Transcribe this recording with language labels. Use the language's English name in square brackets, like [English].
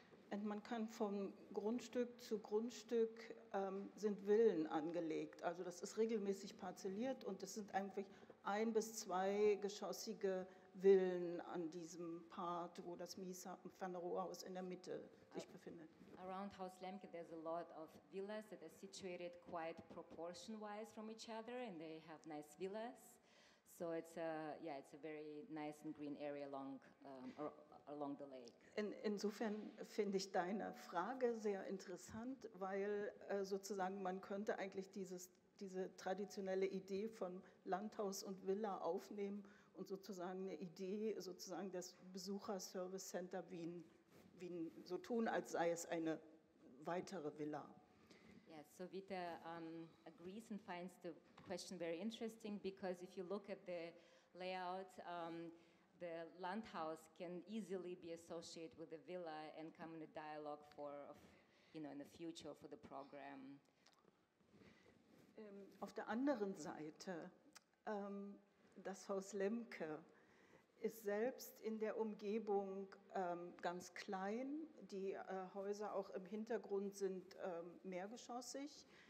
[German] Und man kann von Grundstück zu Grundstück sind Villen angelegt. Also das ist regelmäßig parzelliert und es sind eigentlich ein bis zwei geschossige Villen an diesem Part, wo das Mies van der Rohe Haus in der Mitte sich befindet. [English] Around Haus Lemke, there's a lot of villas that are situated quite proportion-wise from each other, and they have nice villas. So it's a, yeah, it's a very nice and green area along the lake. [German] Insofern finde ich deine Frage sehr interessant, weil sozusagen man könnte eigentlich diese traditionelle Idee von Landhaus und Villa aufnehmen und sozusagen eine Idee sozusagen des Besucherservice Center Wien, Wien so tun, als sei es eine weitere Villa. [English] Yes, so Wita agrees and finds the question very interesting, because if you look at the layout, the Landhaus can easily be associated with a villa and come in a dialogue for, you know, in the future for the program. [German] Auf der anderen Seite, das Haus Lemke ist selbst in der Umgebung ganz klein. Die Häuser auch im Hintergrund sind mehrgeschossig.